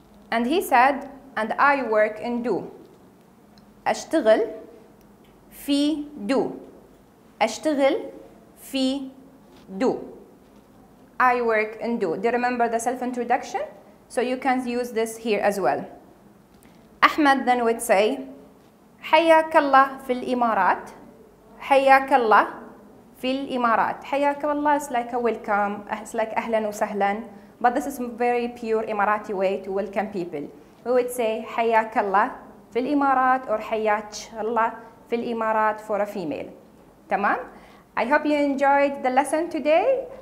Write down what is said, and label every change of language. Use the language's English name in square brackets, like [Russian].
[English] And he said, and I work in دو. [Arabic] أشتغل في دو. أشتغل في دو. [English] I work in دو. Do you remember the self-introduction? So you can use this here as well. [Arabic] أحمد [English] then would say, [Arabic] حياك الله في الإمارات. حياك الله في الإمارات. حياك الله. [English] It's like a welcome. It's like [Arabic] أهلا وسهلا. [English] But this is very pure Emirati way to welcome people. We would say [Arabic] حياك الله في الإمارات or حياك الله في الإمارات [English] for a female. تمام؟ I hope you enjoyed the lesson today.